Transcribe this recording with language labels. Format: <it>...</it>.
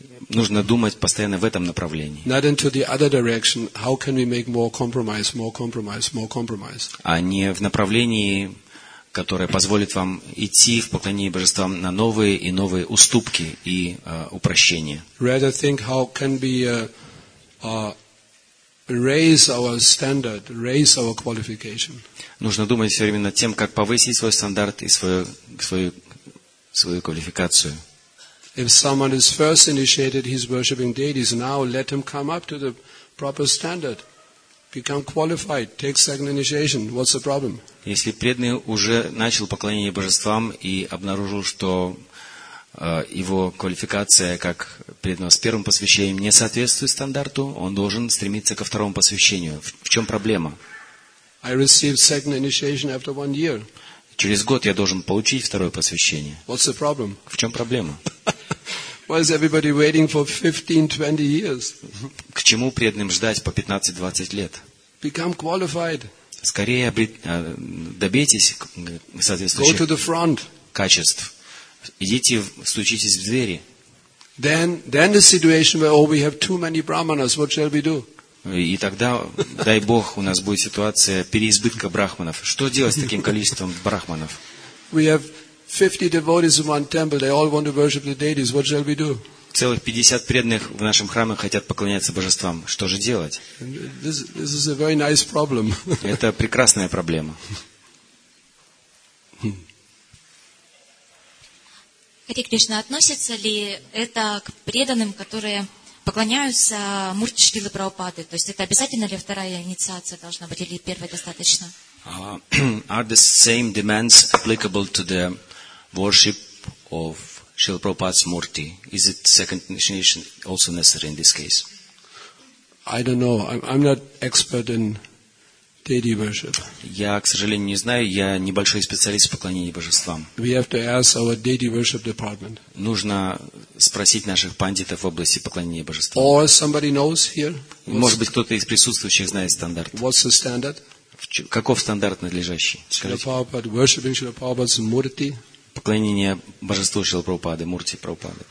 <ru>Нужно думать постоянно в этом направлении.</ru> <en>Not into the other direction. How can we make more compromise, more compromise, more compromise?</en> <ru>А не в направлении, которое позволит вам идти в поклонении божествам на новые и новые уступки и упрощения.</ru> <en>Rather think how can we raise our standard, raise our qualification.</en> <ru>Нужно думать все время над тем, как повысить свой стандарт и свою квалификацию.</ru> <en>If someone is first initiated, he's worshiping deities. Now let him come up to the proper standard, become qualified, take second initiation. What's the problem?</en> <ru>Если преданный уже начал поклонение божествам и обнаружил, что его квалификация как преданного с первым посвящением не соответствует стандарту, он должен стремиться ко второму посвящению. В чем проблема?</ru> <en>I received second initiation after one year.</en> <ru>Через год я должен получить второе посвящение.</ru> <en>What's the problem?</en> <ru>В чем проблема?</ru> <en>Why is everybody waiting for 15-20 years?</en> <ru>К чему преданным ждать по 15-20 лет?</ru> <en>Become qualified.</en> <ru>Скорее добейтесь соответствующих.</ru> <en>Go to the front.</en> <ru>Качеств. Идите, стучитесь в двери.</ru> <en>Then the situation where we have too many brahmanas, what shall we do?</en> <ru>И тогда, дай Бог, у нас будет ситуация переизбытка брахманов. Что делать с таким количеством брахманов?</ru> <en>We have 50 devotees in one temple. They all want to worship the deities. What shall we do?</en> <ru>Целых 50 преданных в нашем храме хотят поклоняться божествам. Что же делать?</ru> <en>This is a very nice problem.</en> <ru>Это прекрасная проблема. Хари Кришна, относится ли это к преданным, которые поклоняются Мурти Шрилы Прабхупады? То есть это обязательно ли вторая инициация должна быть или первая достаточно?</ru> <en>Are the same demands applicable to the worship of Srila Prabhupada's Murti? Is it second initiation also necessary in this case? I don't know. I'm not expert in deity worship.</en> <ru>Я, к сожалению, не знаю. Я небольшой специалист в поклонении божествам.</ru> <en>We have to ask our deity worship department.</en> <ru>Нужно спросить наших пандитов в области поклонения божествам.</ru> <en>Or somebody knows here.</en> <ru>Может быть, кто-то из присутствующих знает стандарт.</ru> <en>What's the standard?</en> <ru>Каков стандарт надлежащий?</ru> <en>Srila Prabhupada, worshiping Srila Prabhupada's Murti.</en> <ru>Поклонение божеству Шрилы Прабхупады, Мурти Прабхупады.</ru>